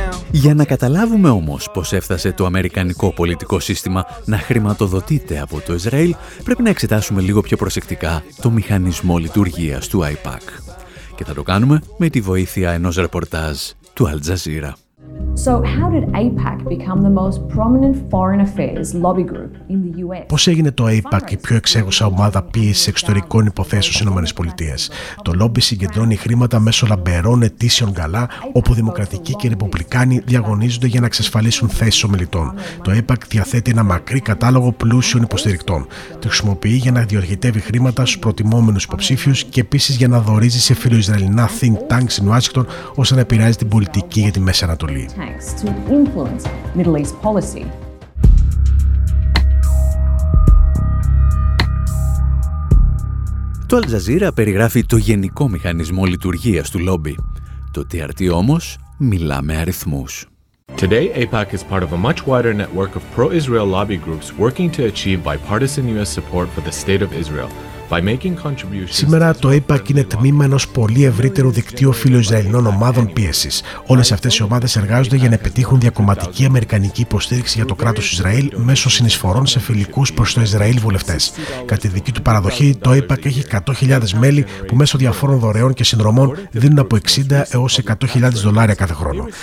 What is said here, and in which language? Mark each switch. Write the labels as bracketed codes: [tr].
[el] Για να καταλάβουμε όμως πώς έφτασε το αμερικανικό πολιτικό σύστημα να χρηματοδοτείται από το Ισραήλ, πρέπει να εξετάσουμε λίγο πιο προσεκτικά το μηχανισμό λειτουργίας του IPAC. Και θα το κάνουμε με τη βοήθεια ενός ρεπορτάζ του Al Jazeera. [en] So how did APAC become the most prominent foreign affairs lobby group in the US? [el] Πώς έγινε το APAC η πιο εξέγουσα ομάδα πίεσης εξωτερικών υποθέσεων στις Ηνωμένες Πολιτείες? Το λόμπι συγκεντρώνει χρήματα μέσω λαμπερών αιτήσεων γκαλά, όπου δημοκρατικοί και ρεπουμπλικάνοι διαγωνίζονται για να εξασφαλίσουν θέσεις ομιλητών. Το APAC διαθέτει ένα μακρύ κατάλογο πλούσιων υποστηρικτών. Το χρησιμοποιεί για να διοχετεύει χρήματα στους προτιμόμενους υποψήφιους και επίσης για να δορίζει σε φιλοϊσραηλινά think tanks στην Ουάσιγκτον, ώστε να επηρεάζει την πολιτική για τη Μέση Ανατολή. [en] Tanks to influence Middle East policy. [el] Το Al Jazeera περιγράφει το γενικό μηχανισμό λειτουργίας του λόμπι. Το TRT όμως μιλά με αριθμούς. [en] Today, APAC is part of a much wider network of pro-Israel lobby groups working to achieve bipartisan US support for the state of Israel. [el] Σήμερα το APAC είναι τμήμα ενός πολύ ευρύτερου δικτύου φιλοϊσραηλινών ομάδων πίεσης. Όλες αυτές οι ομάδες εργάζονται για να πετύχουν διακομματική αμερικανική υποστήριξη για το κράτος Ισραήλ μέσω συνεισφορών σε φιλικούς προς το Ισραήλ βουλευτές. Κατά τη δική του παραδοχή, το APAC έχει 100.000 μέλη που μέσω διαφόρων δωρεών και συνδρομών δίνουν από 60 έως 100.000 δολάρια κάθε χρόνο.